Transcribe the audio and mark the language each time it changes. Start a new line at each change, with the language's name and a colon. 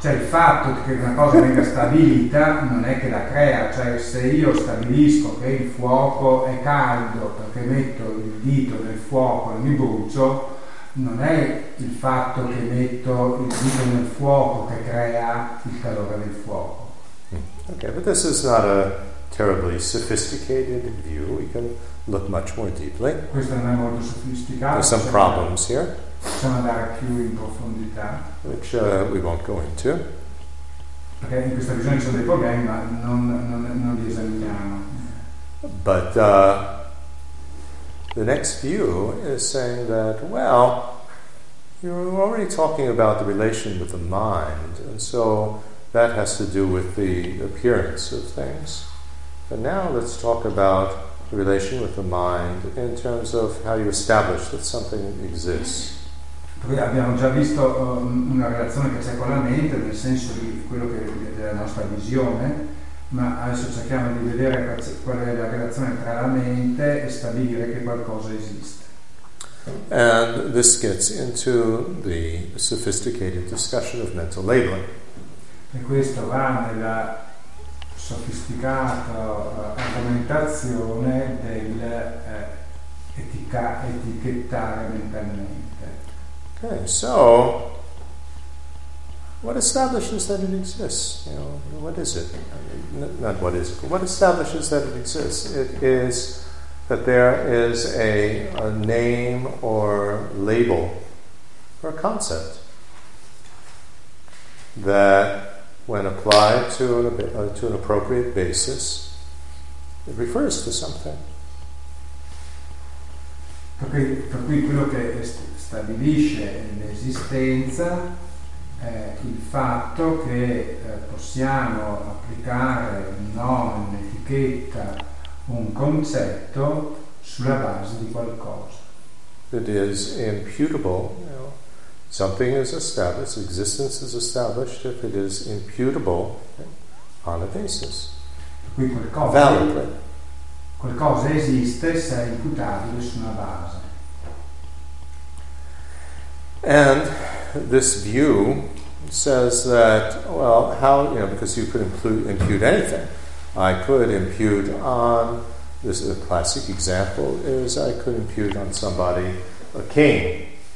Italian: Cioè, il fatto che una cosa venga stabilita non è che la crea. Cioè, se io stabilisco che il fuoco è caldo perché metto il dito nel fuoco e mi brucio, non è il fatto che metto il dito nel fuoco che crea il calore del fuoco.
English: Okay, but this is not a terribly sophisticated view. We can look much more deeply.
Italian: Questo non è molto sofisticato.
English: There's some problems here.
Italian: Possiamo andare più in profondità.
English: Which we won't go into.
Italian: Perché in questa visione ci sono dei problemi, ma non li esaminiamo.
English: But the next view is saying that, well, you're already talking about the relation with the mind, and so that has to do with the appearance of things. But now let's talk about the relation with the mind in terms of how you establish that something exists.
Italian: Poi abbiamo già visto una relazione che c'è con la mente, nel senso di quello che è della nostra visione, ma adesso cerchiamo di vedere qual è la relazione tra la mente e stabilire che qualcosa esiste.
English: And this gets into the sophisticated discussion of mental labeling.
Italian: E questo va nella sofisticata argomentazione del etichettare mentalmente.
English: Okay, so what establishes that it exists? You know, what is it? Not what is it, but what establishes that it exists? It is that there is a name or label or a concept that, when applied to an appropriate basis, it refers to something.
Italian: Per cui quello che stabilisce l'esistenza è il fatto che possiamo applicare un nome, un'etichetta, un concetto sulla base di qualcosa.
English: It is imputable. You know, something is established, existence is established if it is imputable on a basis. Validly.
Italian: Qualcosa esiste se è imputabile su una base.
English: And this view says that, well, how, you know, because you could impute anything. I could impute on, this is a classic example, is I could impute on somebody a king.